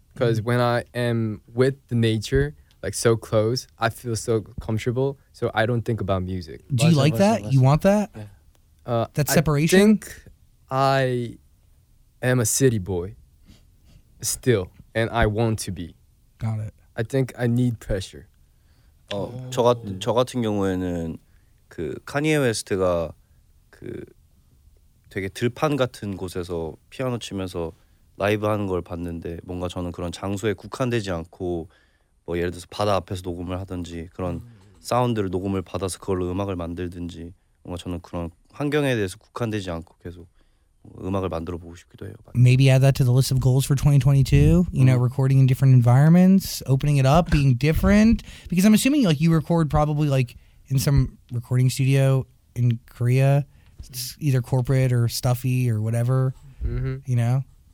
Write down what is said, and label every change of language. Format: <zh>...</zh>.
<en>Because when I am with the nature, like so close, I feel so comfortable. So I don't think about music. Do you like that? You want that? Yeah. That separation? I think I am a city boy still. And I want to be. Got it. I think I need pressure.</en> <ko>저 같은 경우에는 그 카니에 웨스트가 그 되게 들판 같은 곳에서 피아노 치면서 라이브 하는 걸 봤는데 뭔가 저는 그런 장소에 국한되지 않고 뭐 예를 들어서 바다 앞에서 녹음을 하든지 그런 사운드를 녹음을 받아서 그걸로 음악을 만들든지 뭔가 저는 그런 환경에 대해서 국한되지 않고 계속 음악을 만들어 보고 싶기도 해요.</ko> <en>Maybe add that to the list of goals for 2022. You know, recording in different environments, opening it up, being different. Because I'm assuming like you record probably like in some recording studio in Korea, it's either corporate or stuffy or whatever. Mm-hmm. You know,</en>